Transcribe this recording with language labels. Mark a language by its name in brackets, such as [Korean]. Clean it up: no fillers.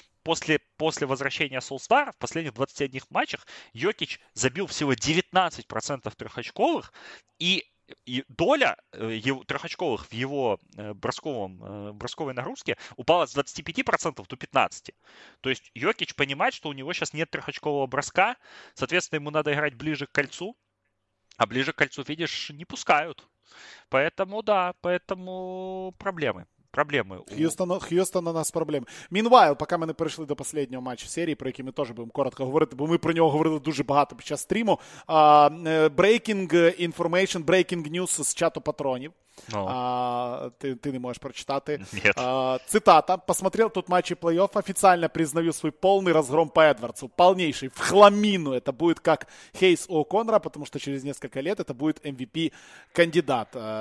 [Russian] После возвращения Солстар в последних 21 матчах Йокич забил всего 19% трехочковых, и доля трехочковых в его бросковой нагрузке упала с 25% до 15%. То есть Йокич понимает, что у него сейчас нет трехочкового броска, соответственно, ему надо играть ближе к кольцу, а ближе к кольцу, видишь, не пускают. Поэтому, да, поэтому проблемы. Проблемы. Хьюстон у нас проблемы. [Ukrainian] Meanwhile, поки ми не перейшли до останнього матчу серії, про який ми теж будемо коротко говорити, бо ми про нього говорили дуже багато під час стріму. [English] Breaking information, breaking news [Ukrainian] з чату патронів. Ти не можеш прочитати. Цитата. [Russian] Посмотрел тут матчи плей-офф, официально признаю свой полный разгром по Эдвардсу. Полнейший, в хламину. Это будет как Хейс у О'Коннора, потому что через несколько лет это будет MVP-кандидат.